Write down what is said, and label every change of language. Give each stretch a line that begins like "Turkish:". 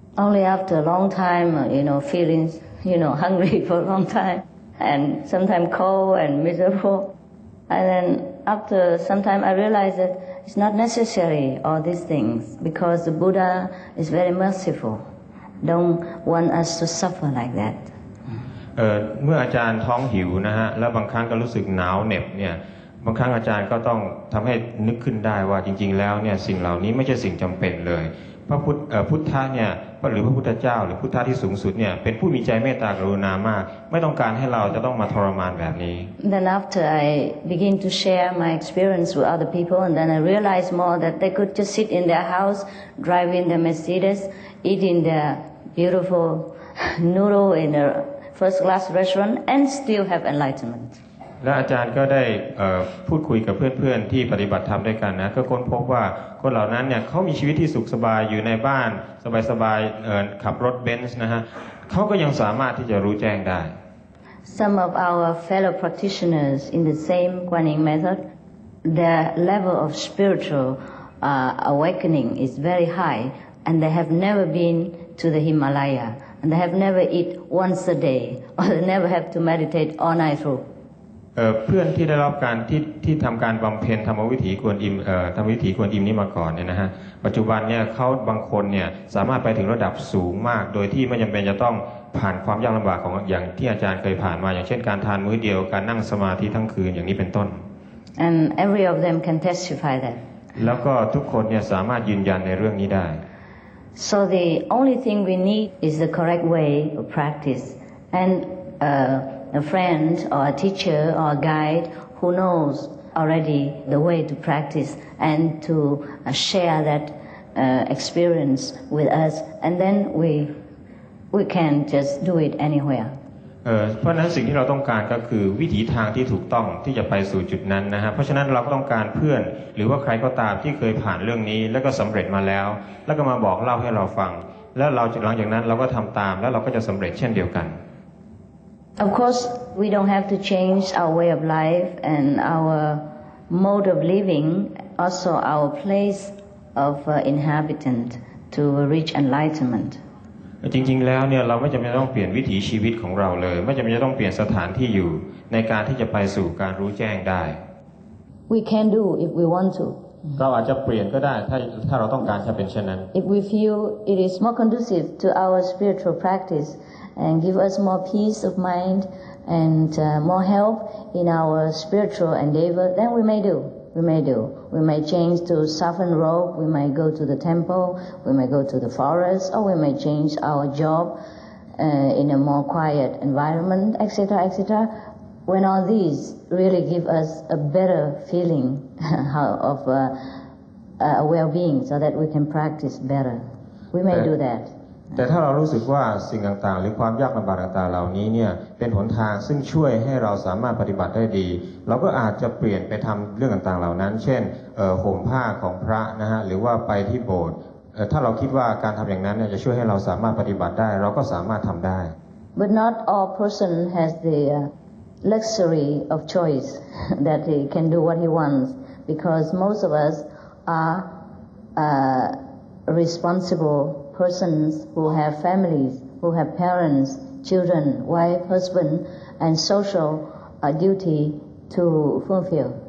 English: Only after a long time you know feeling you know hungry for a long time and sometimes cold and miserable and thenAfter some time, I realized that it's not necessary, all these things, because the Buddha is very merciful. Don't want us to suffer like that.
Thai: เมื่ออาจารย์ท้องหิวนะฮะแล้วบางครั้งก็รู้สึกหนาวเหน็บเนี่ยบางครั้งอาจารย์ก็ต้องทำให้นึกขึ้นได้ว่าจริงๆแล้วเนี่ยสิ่งเหล่านี้ไม่ใช่สิ่งจำเป็นเลยพระพุทธเนี่ยหรือพระพุทธเจ้าหรือพุทธะที่สูงสุดเนี่ยเป็นผู้มีใจเมตตากรุณามากไม่ต้องการให้เราจะต้องมาทรมานแบบนี้
English: Then after I begin to share my experience with other people and then I realize more that they could just sit in their house driving their Mercedes eating their beautiful noodle in a first class restaurant and still have enlightenment
Thai: และอาจารย์ก็ได้พูดคุยกับเพื่อนๆที่ปฏิบัติธรรมด้วยกันนะก็ค้นพบว่าคนเหล่านั้นเนี่ยเขามีชีวิตที่สุขสบายอยู่ในบ้านสบายๆขับรถเบนซ์นะฮะเขาก็ยังสามารถที่จะรู้แจ้งได้
English: Some of our fellow practitioners in the same Guanyin method their level of spiritual awakening is very high and they have never been to the Himalaya and they have never eat once a day or they never have to meditate all night through
Thai: เพื่อนที่ได้รับการที่ทำการบำเพ็ญธรรมวิถีกวนอิมธรรมวิถีกวนอิมนี้มาก่อนเนี่ยนะฮะปัจจุบันเนี่ยเขาบางคนเนี่ยสามารถไปถึงระดับสูงมากโดยที่ไม่จำเป็นจะต้องผ่านความยากลำบากของอย่างที่อาจารย์เคยผ่านมาอย่างเช่นการทานมื้อเดียวการนั่งสมาธิทั้งคืนอย่างนี้เป็นต้น
English: and every of them can testify that
Thai: แล้วก็ทุกคนเนี่ยสามารถยืนยันในเรื่องนี้ได้
English: so the only thing we need is the correct way of practice andA friend or a teacher or a guide who knows already the way to practice and to share that experience with us and then we can just do it anywhere
Thai: เพราะฉะนั้นสิ่งที่เราต้องการก็คือวิถีทางที่ถูกต้องที่จะไปสู่จุดนั้นนะฮะเพราะฉะนั้นเราก็ต้องการเพื่อนหรือว่าใครก็ตามที่เคยผ่านเรื่องนี้แล้วก็สําเร็จมาแล้วแล้วก็มาบอกเล่าให้เราฟังแล้วเราหลังจากนั้นเราก็ทําตามแล้วเราก็จะสําเร็จเช่นเดียวกัน
English: Of course, we don't have to change our way of life and our mode of living, also our place of inhabitant to reach enlightenment.
Thai: จริงๆแล้วเนี่ยเราไม่จำเป็นต้องเปลี่ยนวิถีชีวิตของเราเลยไม่จำเป็นจะต้องเปลี่ยนสถานที่อยู่ในการที่จะไปสู่การรู้แจ้งได้
English: We can do if we want to.
Thai: เราอาจจะเปลี่ยนก็ได้ถ้าเราต้องการจะเป็นเช่นนั้น
English: If we feel it is more conducive to our spiritual practice. And give us more peace of mind and more help in our spiritual endeavor. Then we may do. We may do. We may change to soften robe. We may go to the temple. We may go to the forest, or we may change our job in a more quiet environment, etc., etc. When all these really give us a better feeling of well-being, so that we can practice better, we may do that.
Thai: แต่ถ้าเรารู้สึกว่าสิ่งต่างๆหรือความยากลำบากต่างๆเหล่านี้เนี่ยเป็นหนทางซึ่งช่วยให้เราสามารถปฏิบัติได้ดีเราก็อาจจะเปลี่ยนไปทำเรื่องต่างๆเหล่านั้นเช่นห่มผ้าของพระนะฮะหรือว่าไปที่โบสถ์ถ้าเราคิดว่าการทำอย่างนั้นเนี่ยจะช่วยให้เราสามารถปฏิบัติได้เราก็สามารถทำได้
English: But not all person has the luxury of choice that he can do what he wants because most of us are responsible. Persons who have families, who have parents, children, wife, husband, and social duty to fulfill.